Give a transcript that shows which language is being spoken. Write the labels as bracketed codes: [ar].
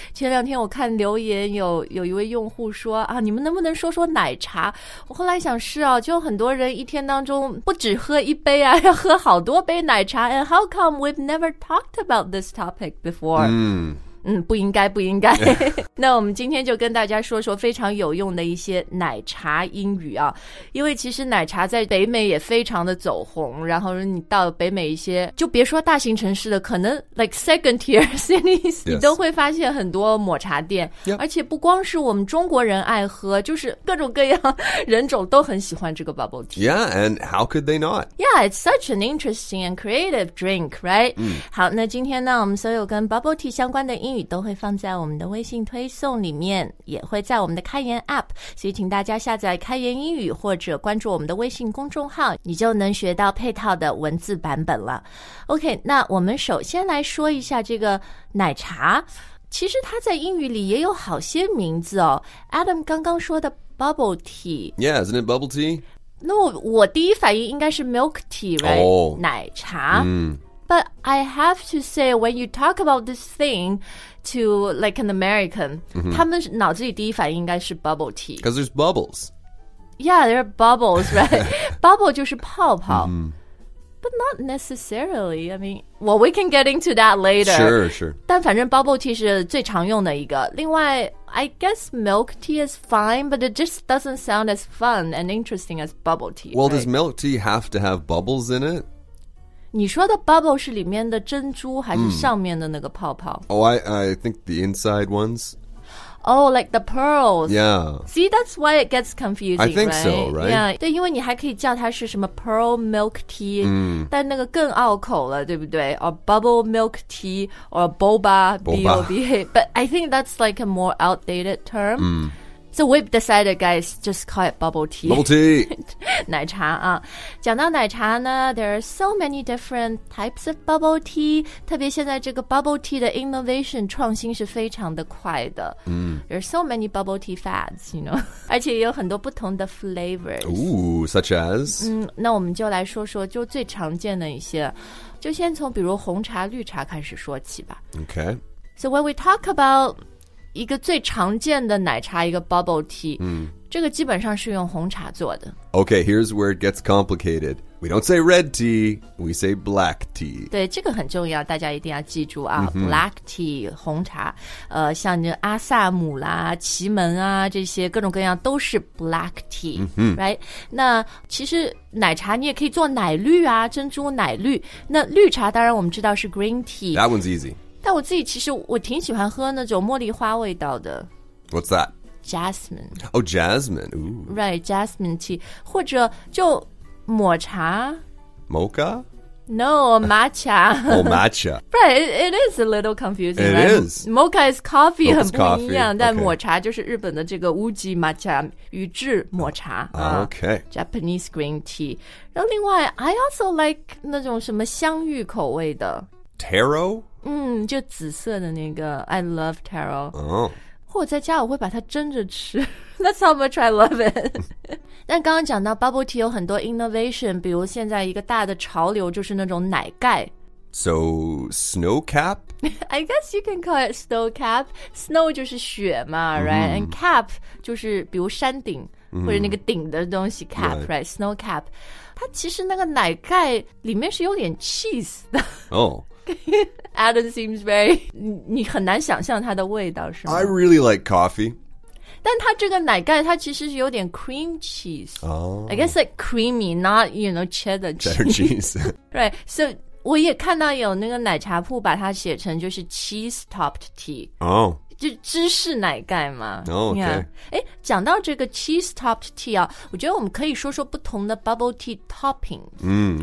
[zh] 前两天我看留言有一位用户说啊，你们能不能说说奶茶？我后来想是啊，就很多人一天当中不只喝一杯啊，要喝好多杯奶茶。 [en] And how come we've never talked about this topic before?、 [zh] 不应该不应该、 [en] yeah. [zh] 那我们今天就跟大家说说非常有用的一些奶茶英语啊，因为其实奶茶在北美也非常的走红，然后你到北美一些就别说大型城市的，可能 [en] like second tier cities、 yes. [zh] 你都会发现很多抹茶店、 [en] yeah. [zh] 而且不光是我们中国人爱喝，就是各种各样人种都很喜欢这个 bubble tea. [en] Yeah, and how could they not? Yeah, it's such an interesting and creative drink, right?、 Mm. [zh] 好，那今天呢我们所有跟 bubble tea 相关的英语都会放在我们的微信推送里面，也会在我们的开言 app， 所以请大家下载开言英语或者关注我们的微信公众号，你就能学到配套的文字版本了。 OK， 那我们首先来说一下这个奶茶，其实它在英语里也有好些名字哦。 Adam 刚刚说的 bubble tea， [en] Yeah, isn't it bubble tea？ [zh] 那我第一反应应该是 milk tea， right？、 Oh. 奶茶、 mm. [en] But I have to say, when you talk about this thing to like an American,、 mm-hmm. [zh] 他们脑子里第一反应应该是 bubble tea. [en] Because there's bubbles. Yeah, there are bubbles, right? [zh] Bubble 就是泡泡、 mm. [en] But not necessarily. I mean, well, we can get into that later. Sure, sure. 但反正 bubble tea 是最常用的一个。 [zh] 另外 [en] I guess milk tea is fine, but it just doesn't sound as fun and interesting as bubble tea. Well,、 right? does milk tea have to have bubbles in it? [zh] 你说的 bubble 是里面的珍珠还是上面的那个泡泡、 mm. [en] Oh, I think the inside ones. Oh, like the pearls. Yeah. See, that's why it gets confusing, I think、 right? so, right? [zh] Yeah, 对，因为你还可以叫它是什么 pearl milk tea、 mm. 但那个更拗口了，对不对？ [en] Or bubble milk tea or boba, B-O-B-A. But I think that's like a more outdated term、 mm. So we've decided, guys, just call it bubble tea. Bubble tea! [zh] 奶茶啊，讲到奶茶呢 [en] there are so many different types of bubble tea. [zh] 特别现在这个 bubble tea 的 innovation 创新是非常的快的、 mm. [en] There are so many bubble tea fads, you know. [zh] 而且也有很多不同的 flavors. [en] Ooh, such as?、 [zh] 那我们就来说说就最常见的一些，就先从比如红茶、绿茶开始说起吧。 [en] Okay. So when we talk about... [zh] 一个最常见的奶茶，一个 bubble tea、 mm. 这个基本上是用红茶做的。 [en] Okay, here's where it gets complicated. We don't say red tea, we say black tea. [zh] 对，这个很重要，大家一定要记住啊、 mm-hmm. black tea, 红茶、像阿萨姆啦、奇门啊，这些各种各样都是 black tea、 mm-hmm. [en] right? [zh] 那其实奶茶你也可以做奶绿啊，珍珠奶绿。那绿茶当然我们知道是 green tea. [en] That one's easy. [zh] 但我自己其实我挺喜欢喝那种茉莉花味道的。 [en] What's that? Jasmine. Oh, jasmine.、Ooh. Right, jasmine tea. [zh] 或者就抹茶。 [en] Mocha? No, matcha. Oh, matcha. Right, it is a little confusing. It、 right? is. Mocha is coffee, [zh] 很不一样、 [en] okay. [zh] 但抹茶就是日本的这个乌鸡 matcha, 宇治抹茶。 [en] Okay.、 Japanese green tea. [zh] 然后另外 [en] I also like [zh] 那种什么香芋口味的。 [en] Taro? [zh] 就紫色的那个 [en] I love taro、 oh. [zh] 或者在家我会把它蒸着吃 [en] That's how much I love it [zh] 但刚刚讲到 bubble tea 有很多 innovation 比如现在一个大的潮流就是那种奶盖 [en] So snow cap? I guess you can call it snow cap [zh] Snow 就是雪嘛、 [en] mm-hmm. right? [zh] And cap 就是比如山顶、 mm-hmm. 或者那个顶的东西 cap right. [en] right? [zh] Snow cap 它其实那个奶盖里面是有点 cheese 的 Oh [en] Adam seems very [zh] 你很难想象它的味道是吗 [en] I really like coffee [zh] 但它这个奶盖它其实是有点 cream cheese、 oh. [en] I guess like creamy not you know cheddar cheese, cheddar cheese. [zh] Right so 我也看到有那个奶茶铺把它写成就是 cheese topped tea 哦、 oh. 就芝士奶盖嘛哦、oh, OK、 yeah. 诶讲到这个 cheese topped tea 啊我觉得我们可以说说不同的 bubble tea toppings、